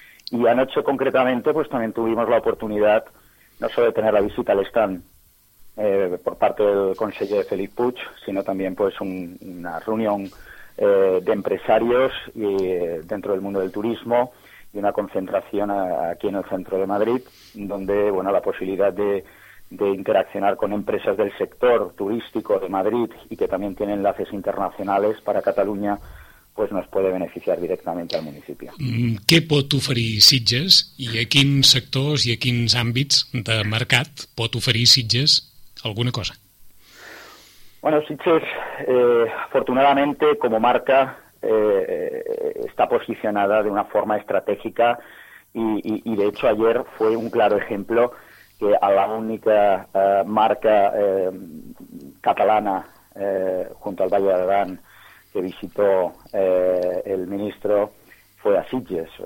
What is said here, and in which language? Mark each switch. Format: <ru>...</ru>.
<es>Y anoche concretamente pues también tuvimos la oportunidad no solo de tener la visita al stand por parte del conseller Felip Puig, sino también pues una reunión de empresarios y dentro del mundo del turismo, y una concentración aquí en el centro de Madrid, donde bueno, la posibilidad de interaccionar con empresas del sector turístico de Madrid y que también tienen enlaces internacionales para Cataluña, pues nos puede beneficiar directamente al municipio.</es> <ca>Què pot oferir Sitges, i a quins sectors i a quins àmbits de mercat pot oferir Sitges alguna cosa?</ca> <es>Bueno, Sitges, afortunadamente, como marca, está posicionada de una forma estratégica, y de hecho ayer fue un claro ejemplo que a la única marca catalana, junto al Valle de Arán, que visitó el ministro, fue a Sitges.</es>